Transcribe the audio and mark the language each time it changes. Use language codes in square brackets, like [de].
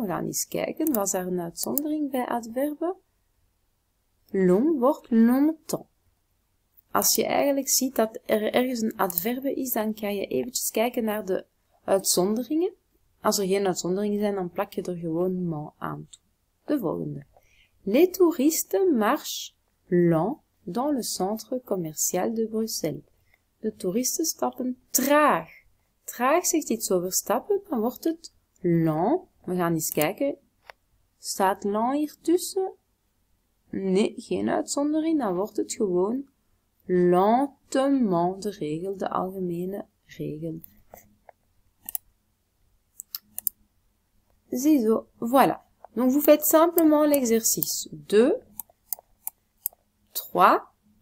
[nl] We gaan eens kijken, was er een uitzondering bij adverben? Long wordt longtemps. Als je eigenlijk ziet dat er ergens een adverbe is, dan kan je eventjes kijken naar de uitzonderingen. Als er geen uitzonderingen zijn, dan plak je er gewoon man aan toe. De volgende. [fr] Les touristes marchent lent dans le centre commercial de Bruxelles. [nl] De toeristen stappen traag. Traag zegt iets over stappen, dan wordt het lent. We gaan eens kijken. Staat lent hier tussen? Nee, geen uitzondering. Dan wordt het gewoon lentement, de regel, de algemene regel. Ziezo, voilà. [fr] Donc, vous faites simplement l'exercice. 2, 3,